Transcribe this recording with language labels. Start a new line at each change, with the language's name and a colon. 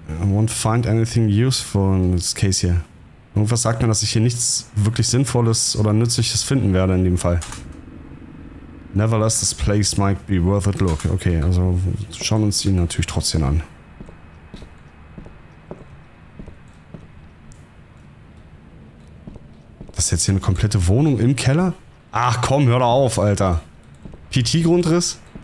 English: I won't find anything useful in this case here.
German: Irgendwas sagt mir, dass ich hier nichts wirklich Sinnvolles oder Nützliches finden werde in dem Fall.
English: Nevertheless, this place might be worth a look.
German: Okay, also schauen wir uns die natürlich trotzdem an. Das ist jetzt hier eine komplette Wohnung im Keller? Ach komm, hör doch auf, Alter. PT-Grundriss?